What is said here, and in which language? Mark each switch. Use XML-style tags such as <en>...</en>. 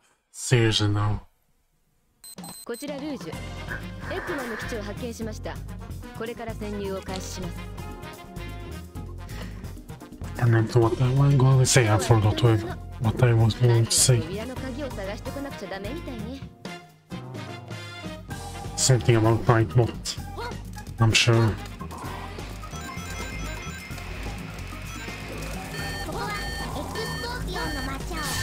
<en>Seriously, no.</en> <ja>こちらルージュ、エクマの基地を発見しました。これから潜入を開始します。</ja> <en>And then to what I want to say, I forgot what I was going to say.</en> <ja>扉の鍵を探してこなくちゃダメみたいね。</ja> <en>Something about Nightbot, I'm sure.</en> <ja>ここはエクスコーピオンの魔鳥。</ja>